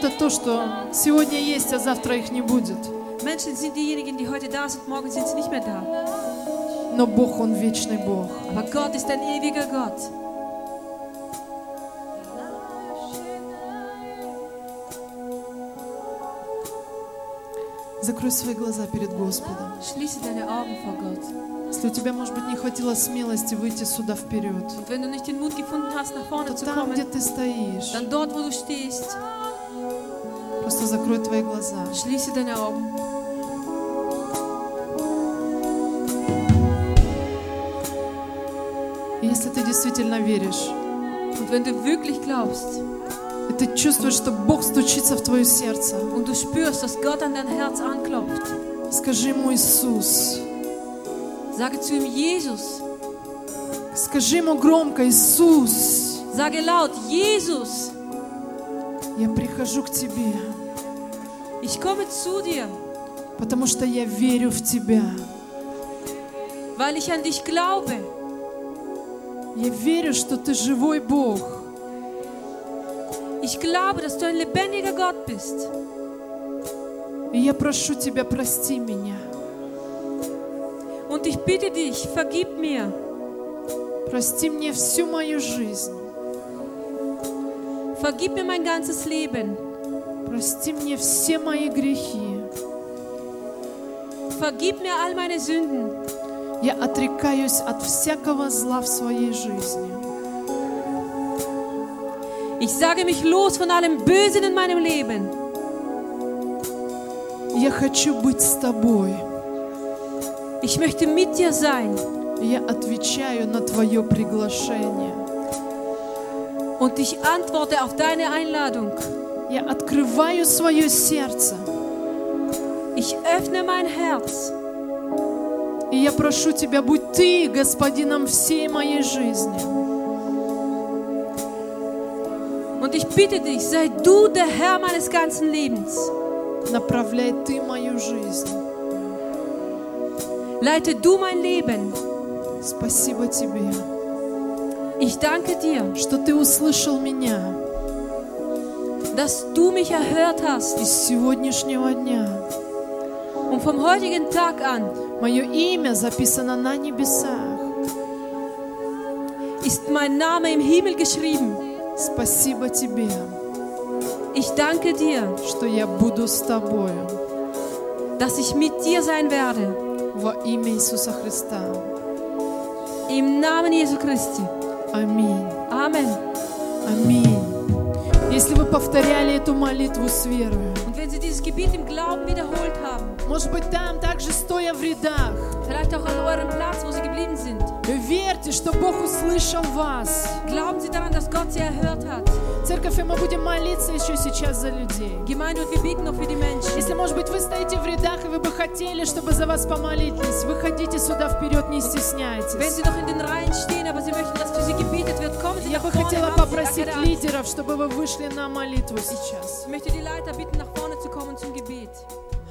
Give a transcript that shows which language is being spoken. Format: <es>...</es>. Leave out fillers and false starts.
<ru>Что сегодня есть, а завтра их не будет.</ru> <de>Menschen sind diejenigen, die heute da sind, morgen sind sie nicht mehr da.</de> <ru>Но Бог, он вечный Бог.</ru> <de>Aber Gott ist ein ewiger Gott.</de> <ru>Закрой свои глаза перед Господом.</ru> <de>Schließe deine Augen vor Gott.</de> <ru>Если у тебя, может быть, не хватило смелости выйти сюда вперед,</ru> <de>und wenn du nicht den Mut gefunden hast, nach vorne</de> <ru>то</ru> <de>zu</de> <ru>там,</ru> <de>kommen,</de> <ru>где ты стоишь,</ru> <de>dann dort, wo du stehst,</de> <ru>просто закрой твои глаза.</ru> <de>Schließe deine Augen.</de> <ru>И если ты действительно веришь,</ru> <de>und wenn du wirklich glaubst,</de> <ru>и ты чувствуешь, что Бог стучится в твое сердце,</ru> <de>und du spürst, dass Gott an dein Herz anklopft,</de> <ru>скажи ему Иисус.</ru> <de>Sage zu ihm Jesus.</de> <ru>Скажи ему громко Иисус.</ru> <de>Sage laut Jesus.</de> <ru>Я прихожу к тебе.</ru> <de>Ich komme zu dir.</de> <ru>Потому что я верю в тебя.</ru> <de>Weil ich an dich glaube.</de> <ru>Я верю, что ты живой Бог.</ru> <de>Ich glaube, dass du ein lebendiger Gott bist.</de> <ru>И я прошу тебя, прости меня.</ru> <de>Und ich bitte dich, vergib mir.</de> <ru>Прости мне всю мою жизнь.</ru> <de>Vergib mir mein ganzes Leben.</de> <ru>Прости мне все мои грехи.</ru> <de>Vergib mir all meine Sünden.</de> <ru>Я отрекаюсь от всякого зла в своей жизни.</ru> <de>Ich sage mich los von allem Bösen in meinem Leben.</de> <ru>Я хочу быть с тобой.</ru> <de>Ich möchte mit dir sein.</de> <ru>Я отвечаю на твое приглашение.</ru> <de>Und ich antworte auf deine Einladung.</de> <ru>Я открываю свое сердце.</ru> <de>Ich öffne mein Herz.</de> <ru>И я прошу тебя, будь ты господином всей моей жизни.</ru> <de>Und ich bitte dich, sei du der Herr meines ganzen Lebens.</de> <ru>Направляй ты мою жизнь.</ru> <de>Leite du mein Leben.</de> <ru>Спасибо тебе.</ru> <de>Ich danke dir,</de> <ru>что ты услышал меня.</ru> <de>Dass du mich erhört hast.</de> <ru>Из сегодняшнего дня.</ru> <de>Und vom heutigen Tag an.</de> <ru>Мое имя записано на небесах.</ru> <de>Ist mein Name im Himmel geschrieben.</de> <ru>Спасибо тебе.</ru> <de>Ich danke dir,</de> <ru>что я буду с тобой.</ru> <de>Dass ich mit dir sein werde.</de> <ru>Во имя Иисуса Христа.</ru> <de>Im Namen Jesu Christi.</de> <ru>Аминь. Аминь. Аминь. Если вы повторяли эту молитву с верой,</ru> <de>und wenn Sie dieses Gebet im Glauben wiederholt haben,</de> <ru>может быть, там, также стоя в рядах,</ru> <de>vielleicht auch an eurem Platz, wo Sie geblieben sind,</de> <ru>верьте, что Бог услышал вас.</ru> <de>Glauben Sie daran, dass Gott Sie erhört hat.</de> <ru>Церковь, мы будем молиться еще сейчас за людей.</ru> <de>Gemeinde, wir beten noch für die Menschen.</de> <ru>Если, может быть, вы стоите в рядах и вы бы хотели, чтобы за вас помолились, выходите сюда вперед, не стесняйтесь.</ru> <de>Wenn Sie noch in den Reihen stehen, aber Sie möchten, dass für Sie gebetet wird, kommen Sie nach</de> <ru>Я бы хотела попросить лидеров, чтобы вы вышли на молитву сейчас.</ru> <de>Ich möchte die Leiter bitten, nach vorne zu kommen zum Gebet.</de>